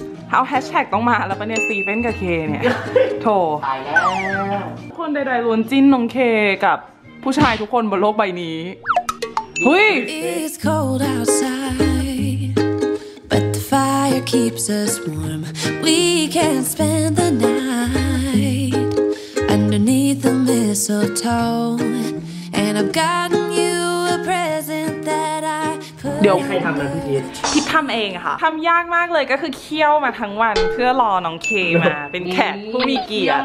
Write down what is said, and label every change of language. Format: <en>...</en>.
<th>เอาแฮชแท็กต้องมาแล้วปะเนี่ยซีเฟนกับเคเนี่ยโถ ตายแล้ว คนใดๆล้วนจิ้นน้องเคกับผู้ชายทุกคนบนโลกใบนี้</th> <en>หุ้ย It's cold outside but the fire keeps us warm we can spend the night underneath the mistletoe and I've gotten you a present that I</en> <th>เดี๋ยวใครทำนะพี่พีชพี่ทำเองค่ะทำยากมากเลยก็คือเคี่ยวมาทั้งวันเพื่อรอน้องเคมาเป็นแขกผู้มีเกียรติ</th>